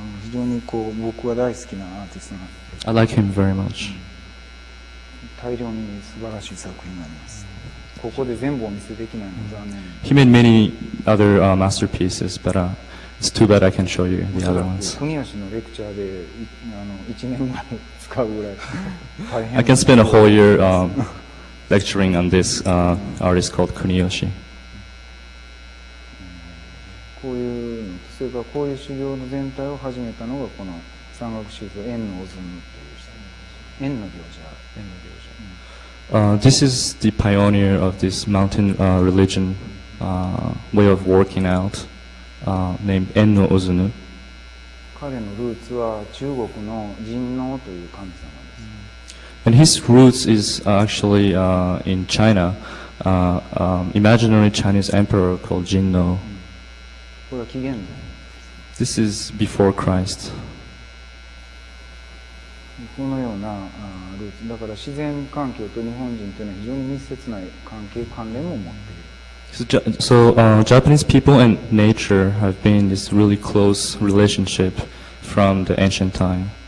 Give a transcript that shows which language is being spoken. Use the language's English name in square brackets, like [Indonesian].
[Japanese] 非常にこう僕は大好きなアーティストなんです。 [English] I like him very much. [Japanese] 大量に素晴らしい作品があります。ここで全部お見せできないの残念。 [English] He made many other masterpieces, but it's too bad I can show you the other ones. [Japanese] 国吉のレクチャーで1年ぐらい使うぐらい大 [English] 変。I can spend a whole year lecturing on this artist called 国吉。 [Japanese] こういうそれからこういう修行の全体を始めたのがこの山岳修行縁のおずむという人です。縁の行者、縁の行者。 [English] This is the pioneer of this mountain religion way of working out named 縁のおずむ。 [Japanese] 彼のルーツは中国の神農という神様です。 [English] And his roots is actually in China, imaginary Chinese emperor called 神農。 [Japanese] これは紀元前。 [English] This is before Christ. [Japanese] このようなルーツ、だから自然環境と日本人というのは非常に密接な関係関連も持っている。 [English] So, Japanese people and nature have been this really close relationship from the ancient time.